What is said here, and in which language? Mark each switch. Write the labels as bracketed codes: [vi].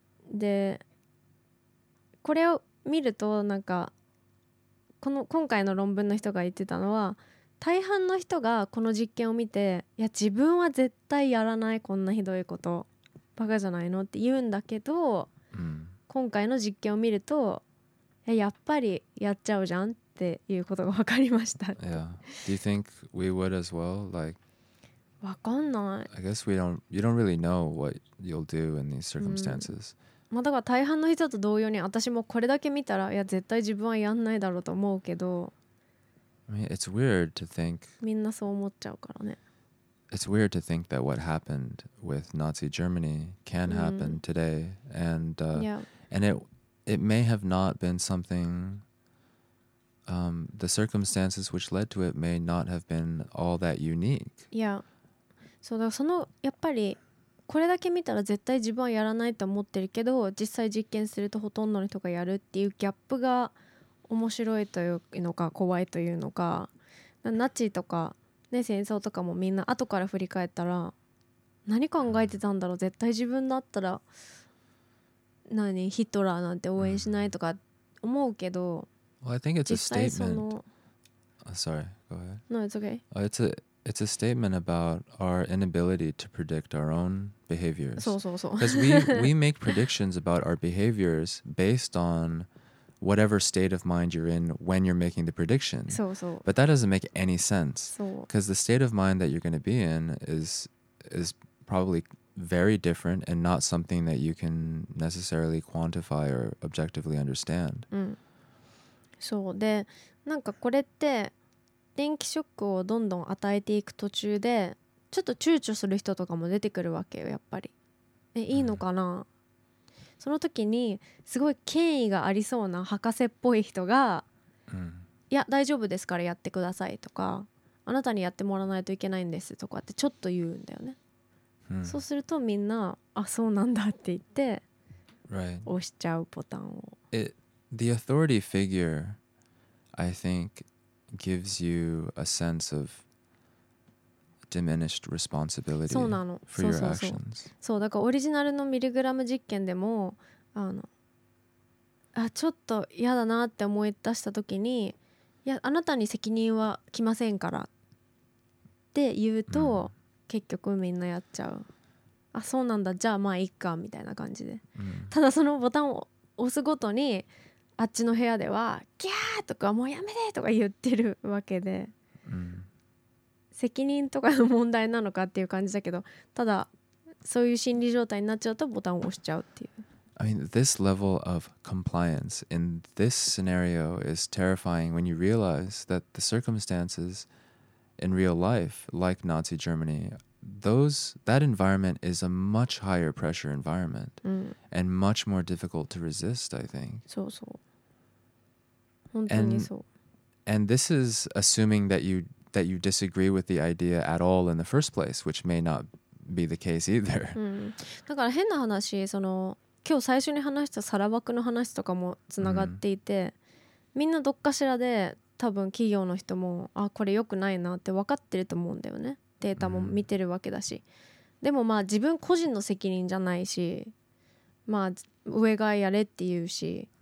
[ja] でこれを見るとなんかこの今回の論文の人が言ってたのは、大半の人がこの実験を見て、いや自分は絶対やらない、こんなひどいことバカじゃないのって言うんだけど、うん、今回の実験を見るとやっぱりやっちゃうじゃんっていうことが分かりました。 [en] Yeah. Do you think we would as well? Like, [ja] 分かんない。 [en] I guess we don't, you don't really know what you'll do in these circumstances.、 [ja] うん、まあ、だから大半の人と同様に私もこれだけ見たら、いや絶対自分はやんないだろうと思うけど、 [en] I mean, it's weird to think、 [ja] みんなそう思っちゃうからね。 [en] It's weird to think that what happened with Nazi Germany can happen、うん、today. And、 yeah. and it may have not been something、the circumstances which led to it may not have been all that unique. Yeah. [ja] そうだ、そのやっぱりこれだけ見たら絶対自分はやらないと思ってるけど、実際実験するとほとんどの人がやるっていうギャップが面白いというのか怖いというのか、ナチとか、ね、戦争とかもみんな後から振り返ったら何考えてたんだろう、絶対自分だったら何ヒトラーなんて応援しないとか思うけど、 [en] Well, I think it's a statement. Sorry, go ahead. No, it's okay. Oh, it's a statement about our inability to predict our own behaviors. [ja] そうそうそう。 [en] Because we make predictions about our behaviors based on whatever state of mind you're in when you're making the prediction. [ja] そうそう。 [en] But that doesn't make any sense. [ja] そう。 [en] Because the state of mind that you're going to be in is probably very different and not something that you can necessarily quantify or objectively understand. [ja] うん。そう。で、なんかこれって電気ショックをどんどん与えていく途中でちょっと躊躇する人とかも出てくるわけよ、やっぱり。え、いいのかな、うん、その時にすごい権威がありそうな博士っぽい人が、うん、いや大丈夫ですからやってくださいとか、あなたにやってもらわないといけないんですとかってちょっと言うんだよね、うん、そうするとみんな、あそうなんだって言って、 [en] right. [ja] 押しちゃうボタンを。 [en] The authority figure I thinkGives you a sense of diminished responsibility for your actions. [ja] そうなの。そうそうそう。そう、だからオリジナルのミリグラム実験でも、あ、ちょっと嫌だなって思い出した時に、いや、あなたに責任は来ませんからって言うと、mm. 結局みんなやっちゃう。あ、そうなんだ。じゃあまあいっかみたいな感じで。 Mm. ただそのボタンを押すごとに、あっちの部屋ではギャーとかもうやめてとか言ってるわけで、うん、責任とかの問題なのかっていう感じだけど、ただそういう心理状態になっちゃうとボタンを押しちゃうっていう。 [en] I mean this level of compliance in this scenario is terrifying when you realize that the circumstances in real life like Nazi Germany, that environment is a much higher pressure environment、うん、 and much more difficult to resist, I think. [ja] そうそう。本当にそう。 [en] And this is assuming that you disagree with the idea at all in the first place, which may not be the case either.、 [ja] うん、だから変な話、その今日最初に話したサラバクの話とかもつながっていて、うん、みんなどっかしらで多分企業の人も、あ、これ良くないなって分かってると思うんだよね。データも見てるわけだし、うん、でもまあ自分個人の責任じゃないし、まあ上がやれっていうし、